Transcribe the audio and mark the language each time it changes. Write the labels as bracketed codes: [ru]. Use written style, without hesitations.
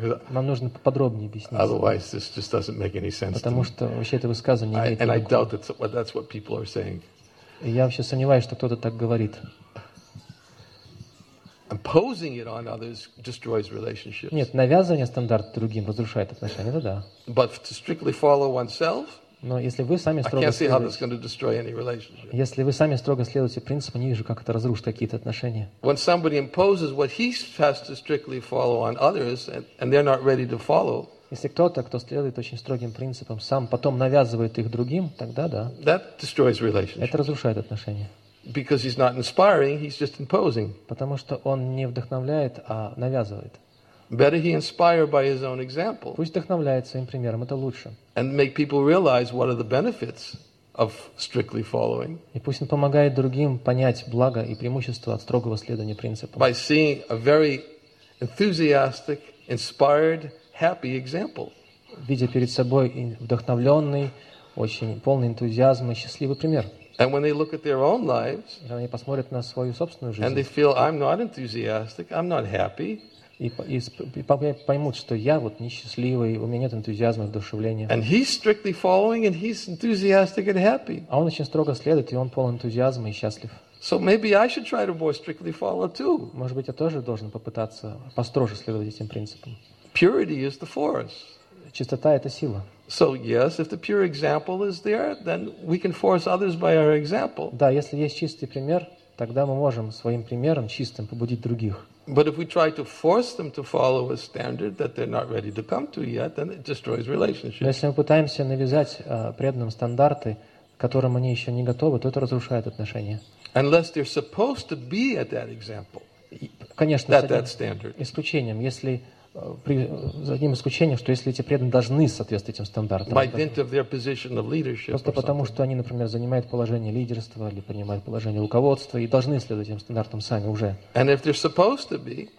[ru] Нам нужно поподробнее объяснить. [en] Otherwise, this just doesn't make any sense. [ru] Потому что вообще это высказывание. [en] And I doubt that's what people are saying. [ru] Я вообще сомневаюсь, что кто-то так говорит. [en] Imposing it on others destroys relationships. [ru] Нет, навязывание стандарта другим разрушает отношения, да. [en] But to strictly follow oneself, [ru] но если вы сами строго следуете, [en] I can't see how this is going to destroy any relationship. [ru] Если вы сами строго следуете принципу, не вижу, как это разрушит какие-то отношения. [en] When somebody imposes what he has to strictly follow on others, and they're not ready to follow. [ru] Если кто-то, кто следует очень строгим принципам, сам потом навязывает их другим, тогда да. [en] That destroys relationships. [ru] Это разрушает отношения. [en] Because he's not inspiring, he's just imposing. [ru] Потому что он не вдохновляет, а навязывает. [en] Better he inspire by his own example. [ru] Пусть вдохновляет своим примером, это лучше. [en] And make people realize what are the benefits of strictly following. [ru] И пусть он помогает другим понять благо и преимущество от строгого следования принципам. [en] By seeing a very enthusiastic, inspired, happy example. [ru] Видя перед собой вдохновленный, очень полный энтузиазма и счастливый пример. [en] And when they look at their own lives, [ru] и они посмотрят на свою собственную жизнь, [en] and they feel I'm not enthusiastic, I'm not happy. [ru] И поймут, что я вот несчастливый, у меня нет энтузиазма, вдохновения. [en] And he's strictly following, and he's enthusiastic and happy. [ru] А он очень строго следует, и он полон энтузиазма и счастлив. [en] So maybe I should try to more strictly follow too. [ru] Может быть, я тоже должен попытаться построже следовать этим принципам. [en] Purity is the force. [ru] Чистота — это сила. [en] So yes, if the pure example is there, then we can force others by our example. [ru] Да, если есть чистый пример, тогда мы можем своим примером чистым побудить других. [en] But if we try to force them to follow a standard that they're not ready to come to yet, then it destroys relationships. [ru] Но если мы пытаемся навязать преданным стандарты, к которым они еще не готовы, то это разрушает отношения. [en] Unless they're supposed to be at that example. [ru] Конечно, [en] at that standard. [ru] Исключением, если за одним исключением, что если эти преданные должны соответствовать этим стандартам. [en] By dint of their position of leadership. [ru] Просто потому, что они, например, занимают положение лидерства или принимают положение руководства и должны следовать этим стандартам сами уже. [en] And if they're supposed to be.